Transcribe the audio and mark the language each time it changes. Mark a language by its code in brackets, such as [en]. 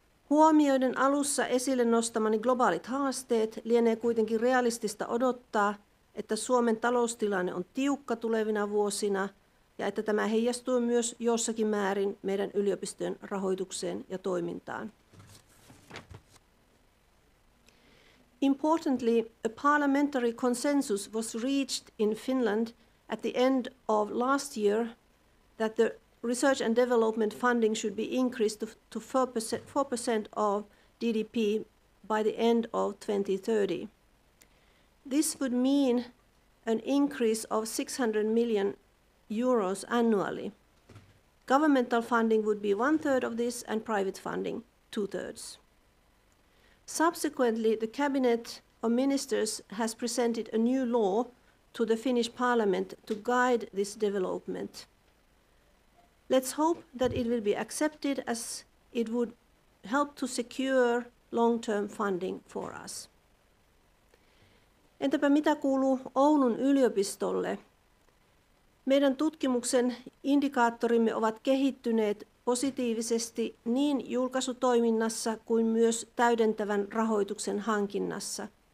[fi] Huomioiden alussa esille nostamani globaalit haasteet lienee kuitenkin realistista odottaa, että Suomen taloustilanne on tiukka tulevina vuosina ja että tämä heijastuu myös jossakin määrin meidän yliopistojen rahoitukseen ja toimintaan. [en] Importantly, a parliamentary consensus was reached in Finland at the end of last year that the research and development funding should be increased to 4% of GDP by the end of 2030. This would mean an increase of 600 million euros annually. Governmental funding would be 1/3 of this and private funding 2/3. Subsequently, the Cabinet of Ministers has presented a new law to the Finnish Parliament to guide this development. Let's hope that it will be accepted as it would help to secure long-term funding for us. [fi] Entäpä mitä kuuluu Oulun yliopistolle? Meidän tutkimuksen indikaattorimme ovat kehittyneet positiivisesti niin julkaisutoiminnassa kuin myös täydentävän rahoituksen hankinnassa.